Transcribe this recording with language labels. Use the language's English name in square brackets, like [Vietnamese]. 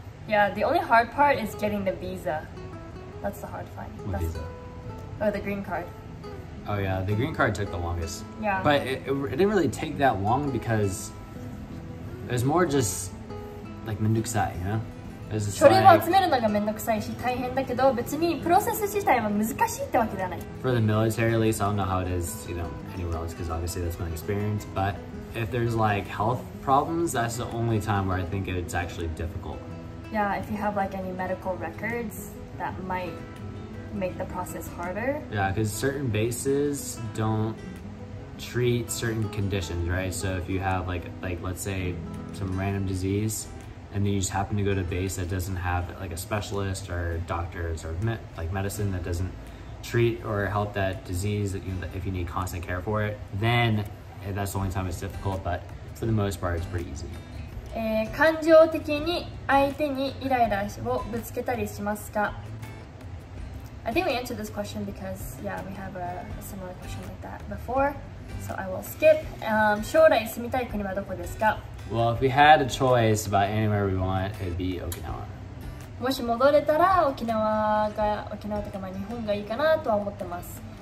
[English] Yeah, the only hard part is getting the visa. That's the hard part. What visa? Oh, the green card. Oh yeah, the green card took the longest. Yeah. But it didn't really take that long because it was more just like mendukusai, you know? [Japanese] 書類を集めるのがめんどくさいし大変だけど別にプロセス自体は難しいってわけではない。 [English] For the military, at least, I don't know how it is, you know, anywhere else, because obviously that's my experience. But if there's like health problems, that's the only time where I think it's actually difficult. Yeah, if you have like any medical records, that might make the process harder. Yeah, because certain bases don't treat certain conditions, right? So if you have like let's say some random disease. And then you just happen to go to a base that doesn't have like a specialist or doctors or medicine that doesn't treat or help that disease that, you know, if you need constant care for it, then that's the only time it's difficult, but for the most part, it's pretty easy. [Japanese] 感情的に相手にイライラをぶつけたりしますか? [English] I think we answered this question because, yeah, we have a similar question like that before, so I will skip. [Japanese] 将来住みたい国はどこですか? [English] Well, if we had a choice about anywhere we want, it would be Okinawa. [Japanese] もし戻れたら沖縄とか日本がいいかなとは思ってます。